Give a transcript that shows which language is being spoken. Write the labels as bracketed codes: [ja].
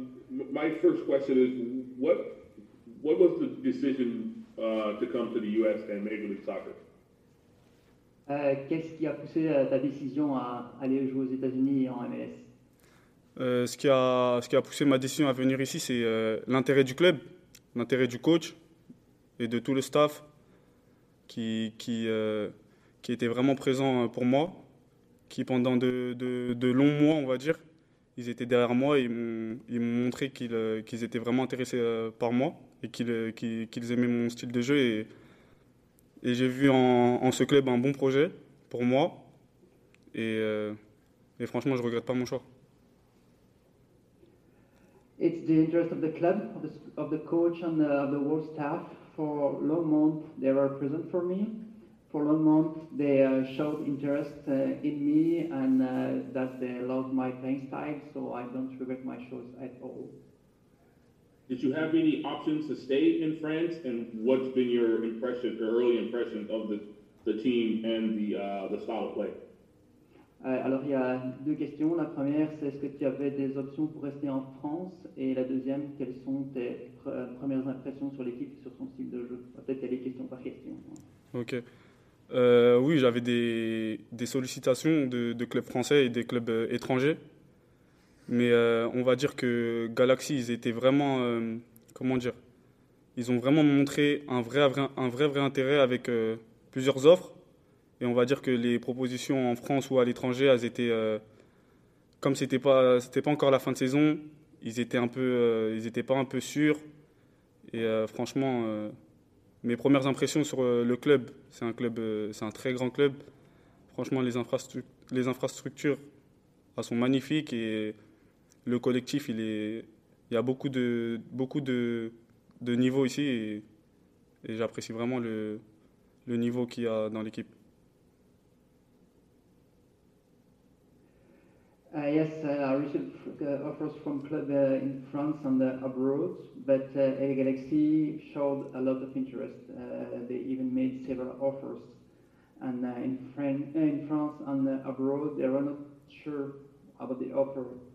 [en] My first question is, what was the decision to come to the U.S. and Major League Soccer? [fr] Qu'est-ce qui a poussé ta décision à aller jouer aux États-Unis en MLS? Ce qui a poussé ma décision à venir ici, c'est l'intérêt du club, l'intérêt du coach et de tout le staff qui était vraiment présent pour moi, qui pendant de longs mois, on va dire, ils étaient derrière moi et ils m'ont montré qu'ils étaient vraiment intéressés par moi et qu'ils aimaient mon style de jeu. Et j'ai vu en ce club un bon projet pour moi. Et franchement, je ne regrette pas mon choix. [en] It's the interest of the club, of the coach and of the whole staff. For long months, they were present for me. For long months, they showed interest in me and that they loved my playing style. So I don't regret my choice at all. Did you have any options to stay in France, and what's been your impression, or early impression, of the team and the style of play? [fr] Alors il y a deux questions. La première, c'est est-ce que tu avais des options pour rester en France, et la deuxième, quelles sont tes premières impressions sur l'équipe et sur son style de jeu? Peut-être aller question par question. Ok. Oui, j'avais des sollicitations de clubs français et des clubs étrangers. Mais on va dire que Galaxy, ils étaient vraiment, comment dire, ils ont vraiment montré un vrai intérêt avec plusieurs offres. Et on va dire que les propositions en France ou à l'étranger, elles étaient, comme c'était pas encore la fin de saison, ils étaient pas un peu sûrs. Et franchement, mes premières impressions sur le club, c'est un très grand club. Franchement, les infrastructures, elles sont magnifiques et le collectif, il y a beaucoup de niveaux ici et j'apprécie vraiment le niveau qu'il y a dans l'équipe. [en] Yes, I received offers from clubs in France and abroad, but LA Galaxy showed a lot of interest. They even made several offers, and in France and abroad, they were not sure about the offer.